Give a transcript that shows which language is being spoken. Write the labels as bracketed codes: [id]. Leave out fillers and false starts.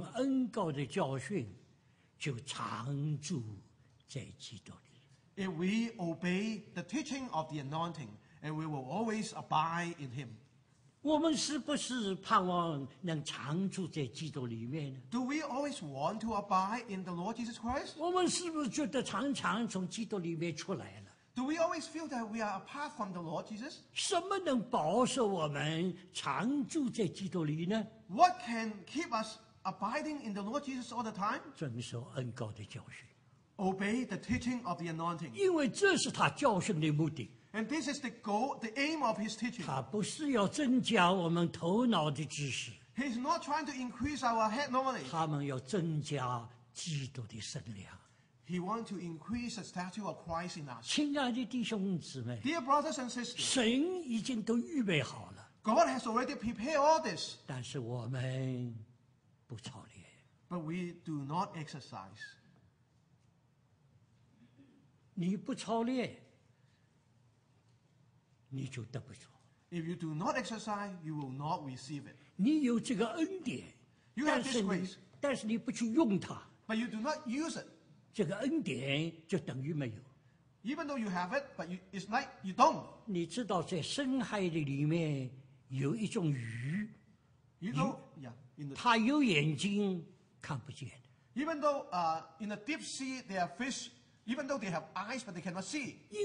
[zh] 如果我们顺从恩膏的教训, 就常住在基督里, [en] if we obey the teaching of the anointing, and we will always abide in him. [zh] 我们是不是盼望能常住在基督里面呢? [en] Do we always want to abide in the Lord Jesus Christ? [zh] 我们是不是觉得常常从基督里面出来了? [en] Do we always feel that we are apart from the Lord Jesus? [zh] 什么能保守我们常住在基督里呢? [en] What can keep us abiding in the Lord Jesus all the time? [zh] 遵守恩膏的教训, [en] obey the teaching of the anointing. [zh] 因为这是他教训的目的, [en] and this is the goal, the aim of his teaching. [zh] 他不是要增加我们头脑的知识, [en] he's not trying to increase our head knowledge. [zh] 他们要增加基督的身量, [en] he wants to increase the stature of Christ in us. [zh] 亲爱的弟兄姊妹, [en] Dear brothers and sisters, [zh] 神已经都预备好了, [en] God has already prepared all this. [zh] 但是我们, [en] but we do not exercise. [zh] 你不操练, 你就得不着, [en] if you do not exercise, you will not receive it. [zh] 你有这个恩典, [en] you have this grace, [zh] 但是你不去用它, [en] but you do not use it. [zh] 这个恩典就等于没有, [en] even though you have it, but it's like you don't. [zh] 你知道在深海的里面有一种鱼, [en] you know, yeah, [zh] 他有眼睛看不见, [en] even though in the deep sea there are fish, even though they have eyes but they cannot see.